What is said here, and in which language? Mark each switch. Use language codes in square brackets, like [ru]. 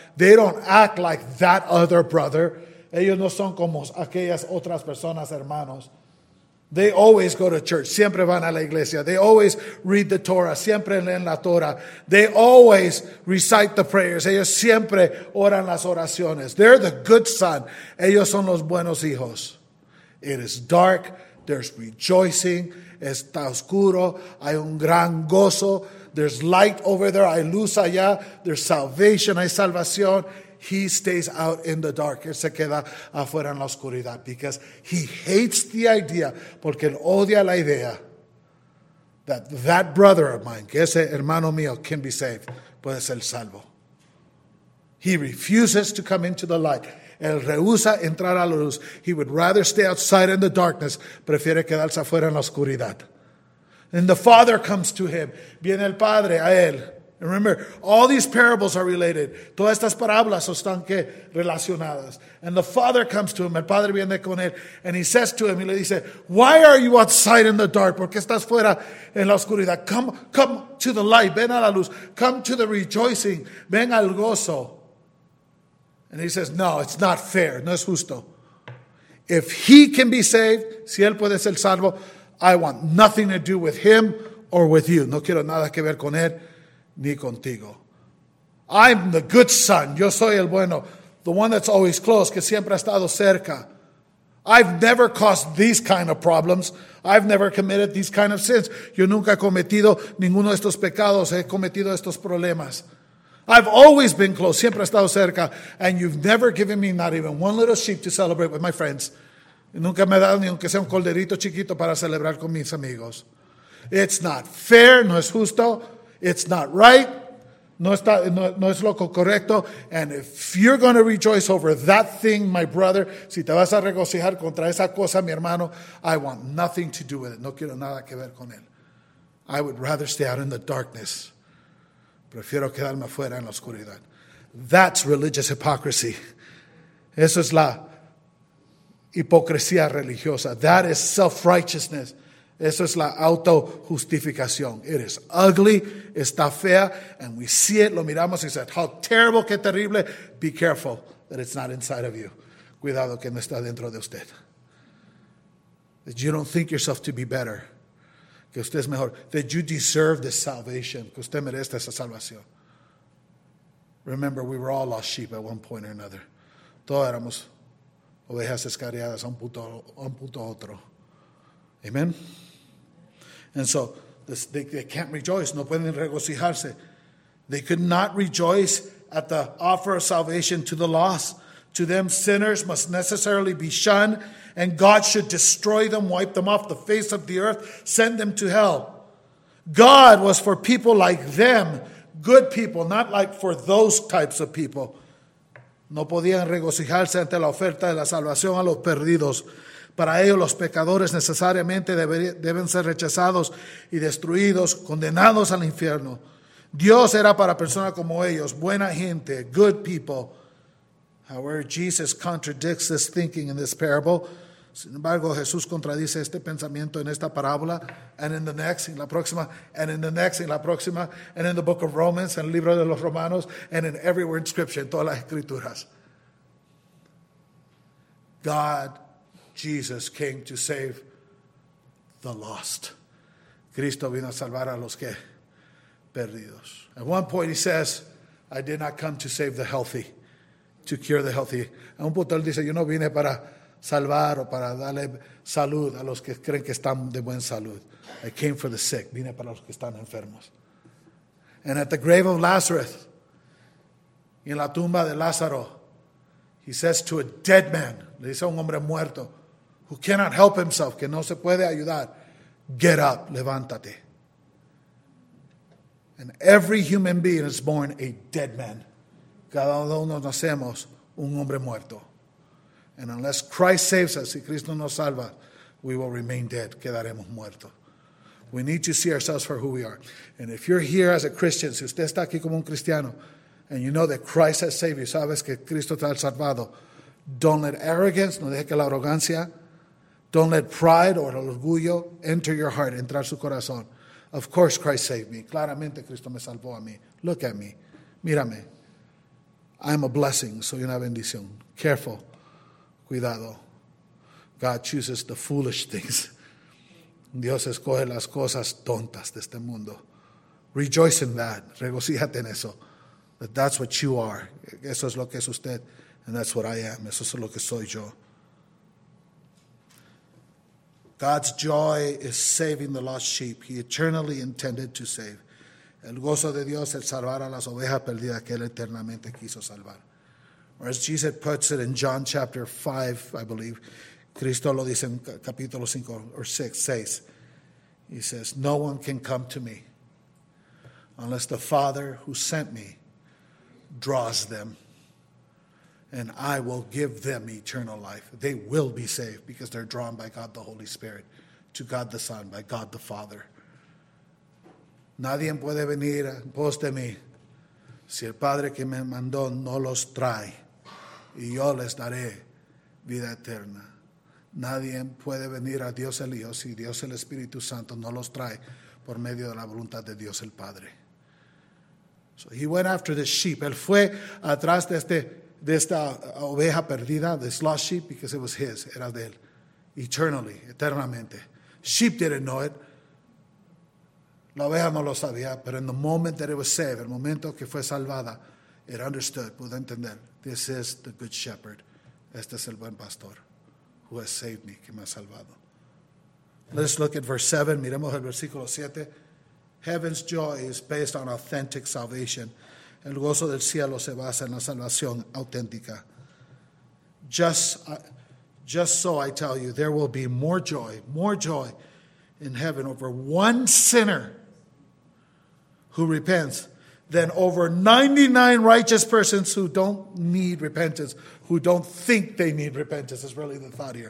[en] They don't act like that other brother. [es] Ellos no son como aquellas otras personas, hermanos. [en] They always go to church. [es] Siempre van a la iglesia. [en] They always read the Torah. [es] Siempre leen la Torah. [en] They always recite the prayers. [es] Ellos siempre oran las oraciones. [en] They're the good son. [es] Ellos son los buenos hijos. [en] It is dark. There's rejoicing. [es] está oscuro, hay un gran gozo. [en] There's light over there, [es] hay luz allá. [en] There's salvation, [es] hay salvación. [en] He stays out in the dark. [es] Él se queda afuera en la oscuridad. [en] Because he hates the idea, [es] porque él odia la idea [en] that that brother of mine, [es] que ese hermano mío, [en] can be saved, [es] puede ser salvo. [en] He refuses to come into the light. [es] Él rehúsa entrar a la luz. [en] He would rather stay outside in the darkness. [es] Prefiere quedarse afuera en la oscuridad. [en] And the Father comes to him. [es] Viene el Padre a él. [en] And remember, all these parables are related. [es] Todas estas parábolas están que relacionadas. [en] And the Father comes to him. [es] El Padre viene con él. [en] And he says to him, [es] y le dice, [en] why are you outside in the dark? [es] ¿Por qué estás fuera en la oscuridad? [en] Come to the light. [es] Ven a la luz. [en] Come to the rejoicing. [es] Ven al gozo. [en] And he says, no, it's not fair. [es] No es justo. [en] If he can be saved, [es] si él puede ser salvo, [en] I want nothing to do with him or with you. [es] No quiero nada que ver con él ni contigo. [en] I'm the good son. [es] Yo soy el bueno. [en] The one that's always close, [es] que siempre ha estado cerca. [en] I've never caused these kind of problems. I've never committed these kind of sins. [es] Yo nunca he cometido ninguno de estos pecados. He cometido estos problemas. [en] I've always been close, [es] siempre he estado cerca, [en] and you've never given me not even one little sheep to celebrate with my friends. [es] Nunca me ha dado ni aunque sea un corderito chiquito para celebrar con mis amigos. [en] It's not fair, [es] no es justo. [en] It's not right, [es] no es lo correcto. [en] And if you're going to rejoice over that thing, my brother, [es] si te vas a regocijar contra esa cosa, mi hermano, [en] I want nothing to do with it. [es] No quiero nada que ver con él. [en] I would rather stay out in the darkness. [es] Prefiero quedarme afuera en la oscuridad. [en] That's religious hypocrisy. [es] Eso es la hipocresía religiosa. [en] That is self-righteousness. [es] Eso es la autojustificación. [en] It is ugly. [es] Está fea. [en] And we see it. [es] Lo miramos y [en] said, how terrible, [es] qué terrible. [en] Be careful that it's not inside of you. [es] Cuidado que no está dentro de usted. [en] That you don't think yourself to be better. [es] Que usted es mejor. [en] That you deserve this salvation. [es] Que usted merece esa salvación. [en] Remember, we were all lost sheep at one point or another. [es] Todos éramos ovejas escariadas a un punto otro. [en] Amen. And so they can't rejoice. [es] No pueden regocijarse. [en] They could not rejoice at the offer of salvation to the lost. To them, sinners must necessarily be shunned. And God should destroy them, wipe them off the face of the earth, send them to hell. God was for people like them, good people, not like for those types of people. [es] No podían regocijarse ante la oferta de la salvación a los perdidos. Para ellos, los pecadores necesariamente deben ser rechazados y destruidos, condenados al infierno. Dios era para personas como ellos, buena gente, [en] good people. However, Jesus contradicts this thinking in this parable. [es] Sin embargo, Jesús contradice este pensamiento en esta parábola, [en] and in the next, [es] en la próxima, [en] and in the next, [es] en la próxima, [en] and in the book of Romans, [es] en el libro de los Romanos, [en] and in everywhere in scripture, [es] en todas las escrituras. [en] God, Jesus, came to save the lost. [es] Cristo vino a salvar a los que perdidos. [en] At one point he says, I did not come to save the healthy, to cure the healthy. [es] A un punto él dice, yo no vine para salvar o para darle salud a los que creen que están de buen salud. [en] I came for the sick. [es] Vine para los que están enfermos. [en] And at the grave of Lazarus, [es] y en la tumba de Lázaro, [en] he says to a dead man, [es] le dice a un hombre muerto, [en] who cannot help himself, [es] que no se puede ayudar, [en] get up, [es] levántate. [en] And every human being is born a dead man. [es] Cada uno nacemos un hombre muerto. [en] And unless Christ saves us, [es] si Cristo nos salva, [en] we will remain dead. [es] Quedaremos muertos. [en] We need to see ourselves for who we are. And if you're here as a Christian, [es] si usted está aquí como un cristiano, [en] and you know that Christ has saved you, [es] sabes que Cristo te ha salvado, [en] don't let arrogance, [es] no deje que la arrogancia, [en] don't let pride or el orgullo enter your heart, [es] entrar su corazón. [en] Of course Christ saved me. [es] Claramente Cristo me salvó a mí. [en] Look at me. [es] Mírame. [en] I am a blessing. [es] Soy una bendición. [en] Careful. [es] Cuidado. [en] God chooses the foolish things. [es] Dios escoge las cosas tontas de este mundo. [en] Rejoice in that. [es] Regocíjate en eso. [en] That that's what you are. [es] Eso es lo que es usted. [en] And that's what I am. [es] Eso es lo que soy yo. [en] God's joy is saving the lost sheep he eternally intended to save. [es] El gozo de Dios es salvar a las ovejas perdidas que él eternamente quiso salvar. [en] Or as Jesus puts it in John chapter 5, I believe, [es] Cristo lo dice en capítulo 5 [en] or 6, says, he says, no one can come to me unless the Father who sent me draws them, and I will give them eternal life. They will be saved because they're drawn by God the Holy Spirit, to God the Son, by God the Father. [es] Nadie puede venir en pos de mí si el Padre que me mandó no los trae, y yo les daré vida eterna. Nadie puede venir a Dios el Hijo si Dios el Espíritu Santo no los trae por medio de la voluntad de Dios el Padre. [en] So he went after the sheep. [es] Él fue atrás de esta oveja perdida, [en] this lost sheep, because it was his. [es] Era de él. [en] Eternally, [es] eternamente. [en] Sheep didn't know it. [es] La oveja no lo sabía, pero [en] in the moment that it was saved, [es] el momento que fue salvada, [en] it understood, [es] pudo entender. [en] This is the good shepherd. [es] Este es el buen pastor [en] who has saved me, [es] que me ha salvado. [en] Let's look at verse 7. [es] Miremos el versículo 7. [en] Heaven's joy is based on authentic salvation. [es] El gozo del cielo se basa en la salvación auténtica. [en] Just so I tell you, there will be more joy in heaven over one sinner who repents than over 99 righteous persons who don't need repentance, who don't think they need repentance, is really the thought here.